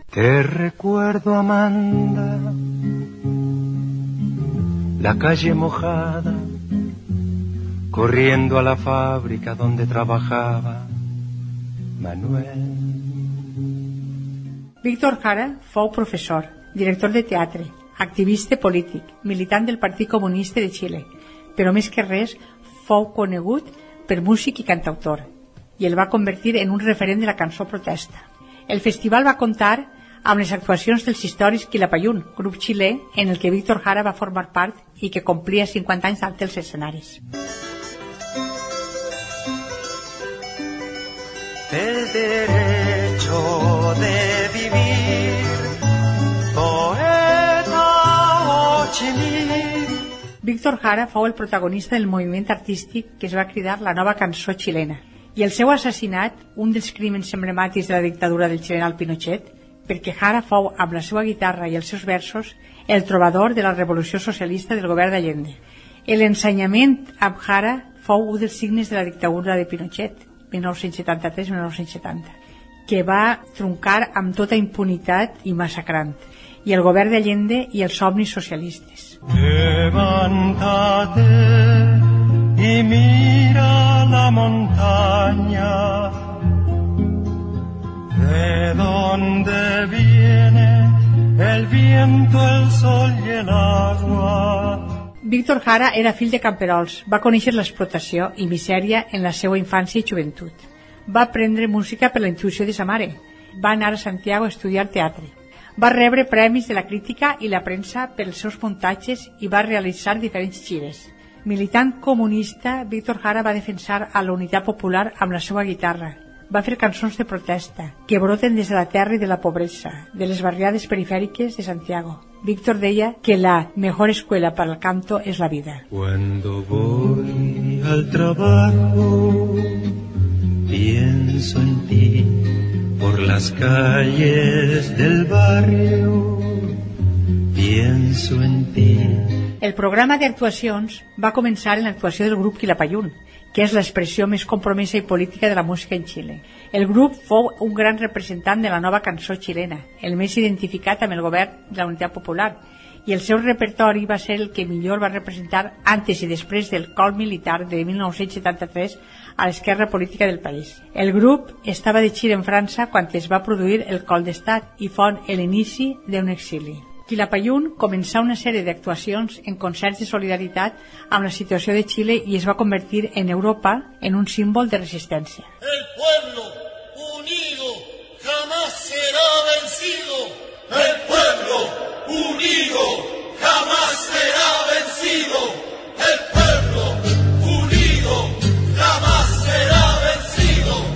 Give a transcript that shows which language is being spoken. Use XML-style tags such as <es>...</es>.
<es>Te recuerdo, Amanda, la calle mojada, corriendo a la fábrica donde trabajaba Manuel.</es> <ca>Víctor Jara fou professor, director de teatre, activista polític, militant del Partit Comunista de Xile, però més que res fou conegut per músic i cantautor i el va convertir en un referent de la cançó protesta. El festival va comptar amb les actuacions dels històrics Quilapayún, grup xilè en el que Víctor Jara va formar part i que complia 50 anys davant els escenaris.</ca> <es>El derecho de vivir, poeta o chilí.</es> <ca>Víctor Jara fou el protagonista del moviment artístic que es va cridar la nova cançó xilena. I el seu assassinat, un dels crímens emblemàtics de la dictadura del general Pinochet, perquè Jara fou, amb la seva guitarra i els seus versos, el trobador de la revolució socialista del govern d'Allende. L'ensenyament amb Jara fou un dels signes de la dictadura de Pinochet, 1973-1970, que va truncar amb tota impunitat i massacrant, i el govern d'Allende i els somnis socialistes.</ca> <es>Levántate y mira la montaña, de donde viene el viento, el sol y el agua.</es> <ca>Víctor Jara era fill de camperols, va conèixer l'explotació i misèria en la seva infància i joventut. Va aprendre música per la intuïció de sa mare. Va anar a Santiago a estudiar teatre. Va rebre premis de la crítica i la premsa pels seus muntatges i va realitzar diferents gires. Militant comunista, Víctor Jara va defensar a la Unitat Popular amb la seva guitarra. Va fer cançons de protesta que broten des de la terra i de la pobresa, de les barriades perifèriques de Santiago. Víctor deia que</ca> <es>la mejor escuela para el canto es la vida. Cuando voy al trabajo, pienso en ti. Por las calles del barrio, pienso en ti.</es> <ca>El programa d'actuacions va començar en l'actuació del grup Quilapayún, que és l'expressió més compromesa i política de la música en Xile. El grup fou un gran representant de la nova cançó xilena, el més identificat amb el govern de la Unitat Popular, i el seu repertori va ser el que millor va representar antes i després del cop militar de 1973 a l'esquerra política del país. El grup estava de gira en França quan es va produir el cop d'estat i fon l'inici d'un exili. Quilapayún començà una sèrie d'actuacions en concerts de solidaritat amb la situació de Xile i es va convertir en Europa en un símbol de resistència.</ca> <es>El pueblo unido jamás será vencido. El pueblo unido jamás será vencido. El pueblo unido jamás será vencido.</es>